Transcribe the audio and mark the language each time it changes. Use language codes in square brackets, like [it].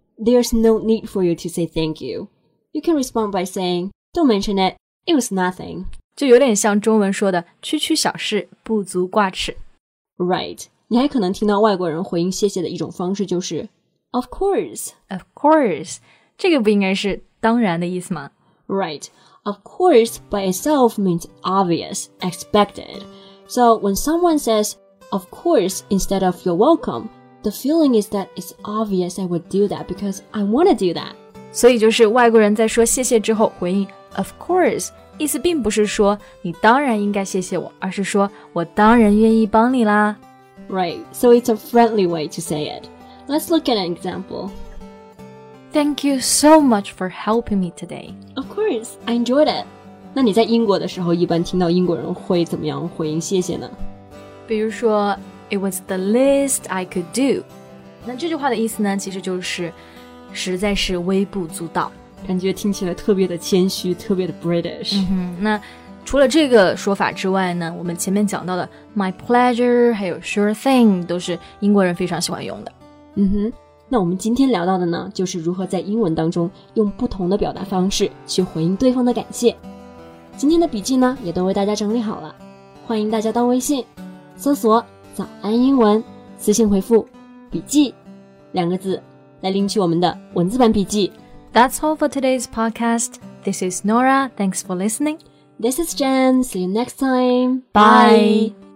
[en] There's no need for you to say thank you. You can respond by saying, don't mention it, it was nothing. [zh] 就有点像中文说的区区小事不足挂齿。 [en] Right, [zh] 你还可能听到外国人回应谢谢的一种方式就是 [en] of course. Of course, [zh] 这个不应该是当然的意思吗？ [en] Right, of course by itself means obvious, expected. So when someone says, of course, instead of you're welcome, the feeling is that it's obvious I would do that because I want to do that. [zh] 所以就是外国人在说谢谢之后回应 [en] of course, [zh] 意思并不是说你当然应该谢谢我而是说我当然愿意帮你啦。 [en] Right, so it's a friendly way to say it. Let's look at an example. Thank you so much for helping me today. Of course, I enjoyed it. [zh] 那你在英国的时候一般听到英国人会怎么样回应谢谢呢？比如说 [en] It was the least I could do. [zh] 那这句话的意思呢其实就是实在是微不足道。感觉听起来特别的谦虚特别的 British、那除了这个说法之外呢我们前面讲到的 [en] My pleasure [zh] 还有 [en] sure thing [zh] 都是英国人非常喜欢用的。那我们今天聊到的呢就是如何在英文当中用不同的表达方式去回应对方的感谢今天的笔记呢也都为大家整理好了欢迎大家到微信搜索早安英文私信回复笔记两个字来领取我们的文字版笔记 [en] That's all for today's podcast This is Nora Thanks for listening This is Jen See you next time Bye